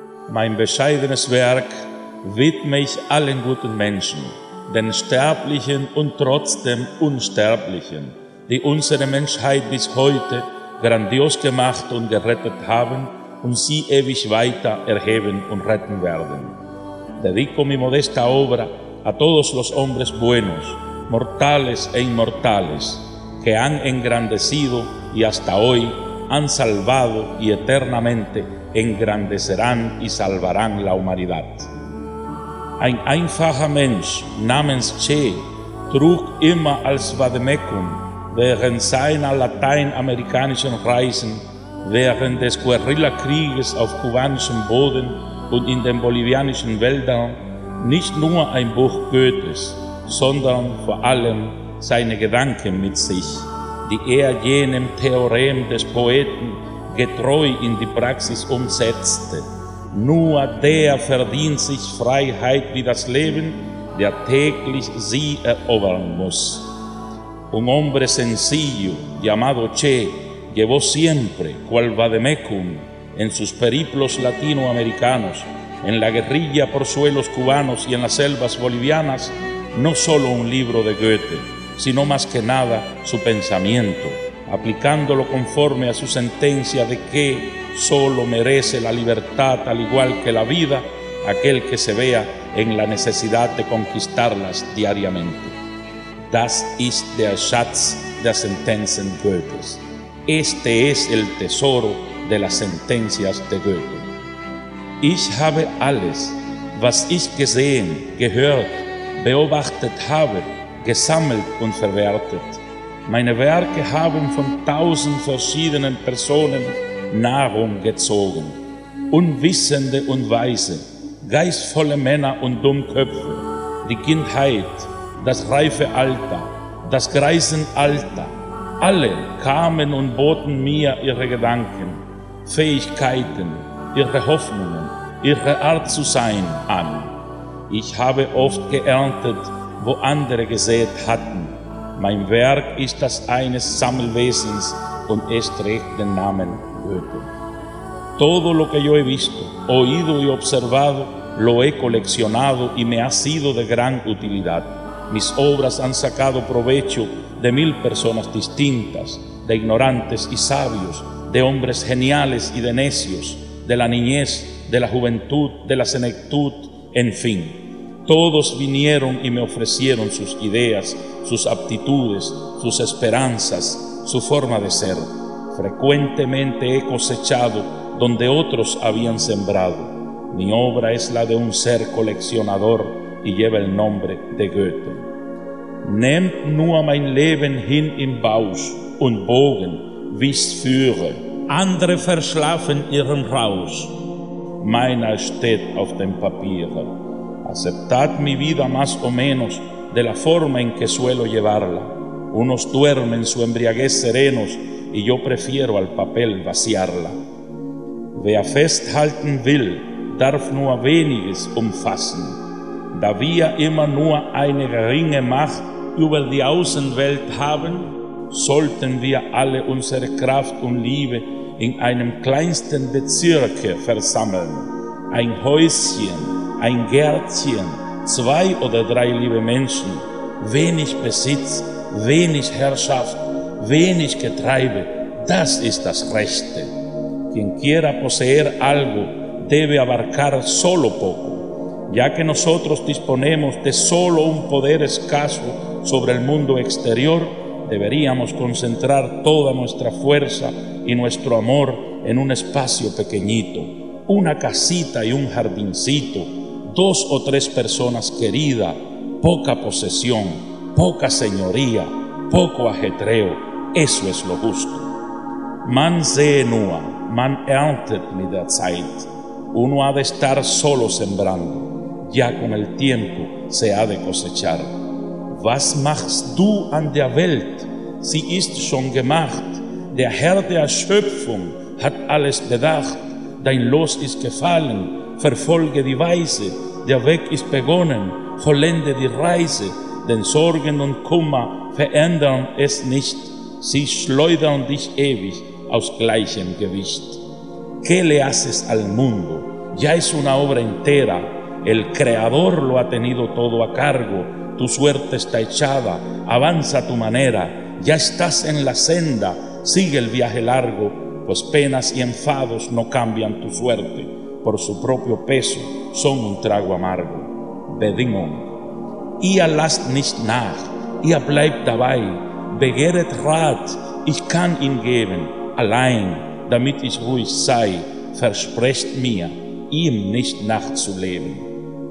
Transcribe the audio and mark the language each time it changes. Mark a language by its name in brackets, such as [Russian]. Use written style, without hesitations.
[German] Mein bescheidenes Werk widme ich allen guten Menschen, den Sterblichen und trotzdem Unsterblichen, die unsere Menschheit bis heute grandios gemacht und gerettet haben und sie ewig weiter erheben und retten werden. [Spanish] Dedico mi modesta obra a todos los hombres buenos, mortales e inmortales, que han engrandecido y hasta hoy han salvado y eternamente engrandecerán y salvarán la humanidad. [German] Ein einfacher Mensch namens Che trug immer als Vademecum während seiner lateinamerikanischen Reisen, während des Guerillakrieges auf kubanischem Boden und in den bolivianischen Wäldern nicht nur ein Buch Goethes, sondern vor allem seine Gedanken mit sich, die er jenem Theorem des Poeten getreu in die Praxis umsetzte. Nur der verdient sich Freiheit wie das Leben, der täglich sie erobern muss. [Spanish] Un hombre sencillo, llamado Che, llevó siempre, cual vademecum, en sus periplos latinoamericanos, en la guerrilla por suelos cubanos y en las selvas bolivianas, no solo un libro de Goethe, sino más que nada su pensamiento, aplicándolo conforme a su sentencia de que solo merece la libertad al igual que la vida aquel que se vea en la necesidad de conquistarlas diariamente. [German] Das ist der Schatz der Sentenzen Goethes. [Spanish] Este es el tesoro de las sentencias de Goethe. [German] Ich habe alles, was ich gesehen, gehört, beobachtet habe, gesammelt und verwertet. Meine Werke haben von tausend verschiedenen Personen Nahrung gezogen. Unwissende und Weise, geistvolle Männer und Dummköpfe, die Kindheit, das reife Alter, das Greisenalter, alle kamen und boten mir ihre Gedanken, Fähigkeiten, ihre Hoffnungen, ihre Art zu sein an. Ich habe oft geerntet, wo andere gesät hatten. Mein Werk ist das eines Sammelwesens und es trägt den Namen Goethe. [Spanish] Todo lo que yo he visto, oído y observado, lo he coleccionado y me ha sido de gran utilidad. Mis obras han sacado provecho de mil personas distintas, de ignorantes y sabios, de hombres geniales y de necios, de la niñez, de la juventud, de la senectud, en fin. Todos vinieron y me ofrecieron sus ideas, sus aptitudes, sus esperanzas, su forma de ser. Frecuentemente he cosechado donde otros habían sembrado. Mi obra es la de un ser coleccionador y lleva el nombre de Goethe. [German] Nehmt nur mein Leben hin im Bausch und Bogen, wie's führe. Andere verschlafen ihren Rausch. Meiner steht auf dem Papier. [Spanish] Aceptad mi vida más o menos de la forma en que suelo llevarla. Unos duermen su embriaguez serenos y yo prefiero al papel vaciarla. [German] Wer festhalten will, darf nur weniges umfassen. Da wir immer nur eine geringe Macht über die Außenwelt haben, sollten wir alle unsere Kraft und Liebe in einem kleinsten Bezirke versammeln. Ein Häuschen, ein Gärtchen, zwei oder drei liebe Menschen, wenig Besitz, wenig Herrschaft, wenig Getreibe, das ist das Rechte. [Spanish] Quien quiera poseer algo, debe abarcar solo poco, ya que nosotros disponemos de solo un poder escaso sobre el mundo exterior, deberíamos concentrar toda nuestra fuerza y nuestro amor en un espacio pequeñito, una casita y un jardincito, dos o tres personas queridas, poca posesión, poca señoría, poco ajetreo, eso es lo justo. [German] Man sehe nur, man erntet mit der Zeit. [Spanish] Uno ha de estar solo sembrando, ya con el tiempo se ha de cosechar. [German] Was machst du an der Welt? Sie ist schon gemacht. Der Herr der Schöpfung hat alles bedacht. Dein Los ist gefallen. Verfolge die Weise. Der Weg ist begonnen. Vollende die Reise. Denn Sorgen und Kummer verändern es nicht. Sie schleudern dich ewig aus gleichem Gewicht. [Spanish] ¿Qué le haces al mundo? ya es una obra entera. El Creador lo ha tenido todo a cargo. Tu suerte está echada, avanza a tu manera. Ya estás en la senda, sigue el viaje largo, pues penas y enfados no cambian tu suerte. Por su propio peso son un trago amargo. [German] Bedingung. Ihr lasst nicht nach, ihr bleibt dabei. Begehret Rat, ich kann ihn geben. Allein, damit ich ruhig sei, versprecht mir, ihm nicht nachzuleben.